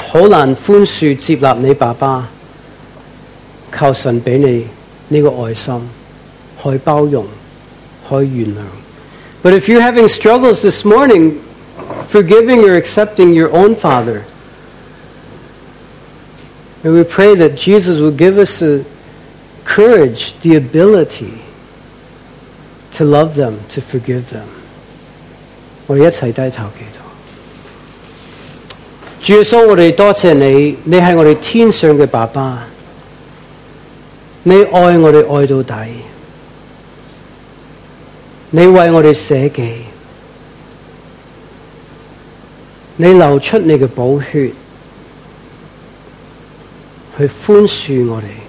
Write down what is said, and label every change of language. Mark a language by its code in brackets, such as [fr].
[yue] 但如果你今天你是觉得很难宽恕接纳你爸爸, 求神给你这个爱心, 去包容, 去原谅。 [en] But if you're having struggles this morning, forgiving or accepting your own father, may we pray that Jesus will give us the courage, the ability to love them, to forgive them. [yue] 我们一起低头祈祷。主耶稣，我们多谢你, 你是我们天上的爸爸, 你爱我们爱到底, 你为我们舍己, 你流出你的宝血, 去宽恕我们。